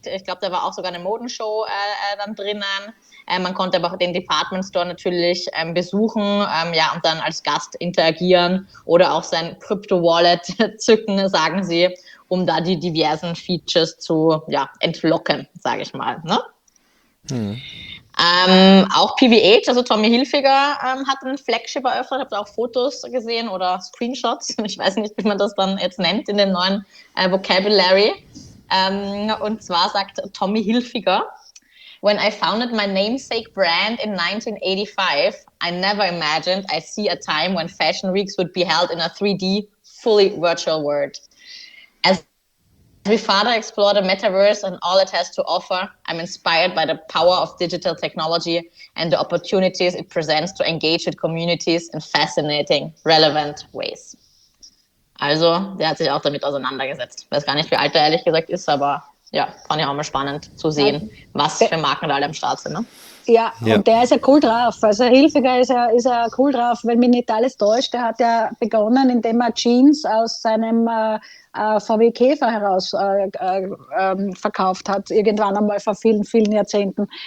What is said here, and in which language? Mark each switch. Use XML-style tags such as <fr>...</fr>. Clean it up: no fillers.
<de>Ich glaube, da war auch sogar eine Modenshow dann drinnen. Man konnte aber auch den Department Store natürlich besuchen ja, und dann als Gast interagieren oder auch sein Crypto-Wallet zücken, sagen sie, um da die diversen Features zu ja, entlocken, sage ich mal. Ne? Hm. Auch PVH, also Tommy Hilfiger, hat ein Flagship eröffnet, habt ihr auch Fotos gesehen oder Screenshots, ich weiß nicht, wie man das dann jetzt nennt in dem neuen Vocabulary. Und zwar sagt Tommy Hilfiger:</de> <en>"When I founded my namesake brand in 1985, I never imagined I'd see a time when fashion weeks would be held in a 3D, fully virtual world. As we further explore the metaverse and all it has to offer, I'm inspired by the power of digital technology and the opportunities it presents to engage with communities in fascinating, relevant ways."</en> <de>Also, der hat sich auch damit auseinandergesetzt. Ich weiß gar nicht, wie alt er ehrlich gesagt ist, aber ja, fand ich auch mal spannend zu sehen, was für Marken da alle am Start sind. Ne? Ja, ja, und der ist ja cool drauf. Also Hilfiger ist ja cool drauf, wenn mich nicht alles täuscht. Der hat ja begonnen, indem er Jeans aus seinem VW Käfer heraus verkauft hat, irgendwann einmal vor vielen, vielen Jahrzehnten.</de>